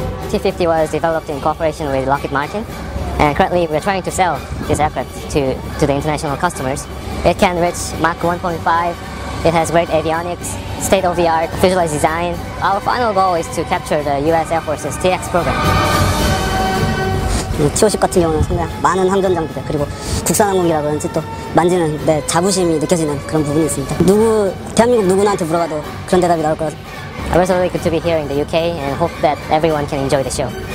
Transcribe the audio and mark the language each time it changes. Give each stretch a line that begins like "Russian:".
English: T-50 was developed in cooperation with Lockheed Martin, and currently we're trying to sell this aircraft to the international customers. It can reach Mach 1.5, it has great avionics, state-of-the-art fuselage design. Our final goal is to capture the US Air Force's T-X program.
Korean: T-50 같은 경우는 상당히 많은 항전 장비들, 그리고 국산 항공기라 그런지 또 만지는 내 자부심이 느껴지는 그런 부분이 있습니다. 대한민국 누구나한테 물어봐도 그런 대답이 나올 거라서
English: I'm really good to be here in the UK and hope that everyone can enjoy the show.